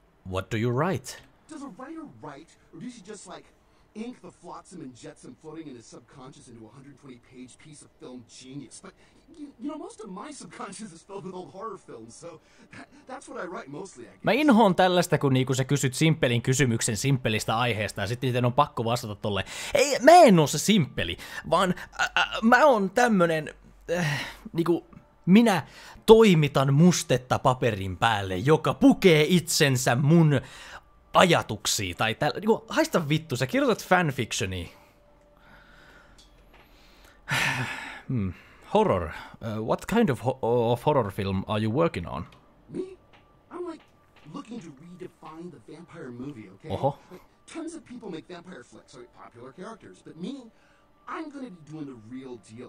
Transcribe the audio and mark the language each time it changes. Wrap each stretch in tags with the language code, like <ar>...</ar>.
<en>What do you write? Does a writer write, or does he just, like, ink the flotsam and jetsam floating in his subconscious into a 120-page piece of film genius? But, you know, most of my subconscious is filled with old horror films, so that's what I write mostly, I guess.</en> <fi>Mä inhoon tällaista, kun niinku sä kysyt simppelin kysymyksen simppelistä aiheesta, ja sitten niiden on pakko vastata tolle. Ei, mä en oo se simppeli, vaan mä oon tämmönen, niinku, minä toimitan mustetta paperin päälle, joka pukee itsensä mun ajatuksia tai tällä... Niin haista vittu, sä kirjoitat fanfictionia.</fi> <en>Horror. What kind of horror film are you working on? Me? I'm like looking to redefine the vampire movie, okay? Oho. Like, tons of people make vampire flicks, like popular characters, but me, I'm gonna be doing the real deal.</en>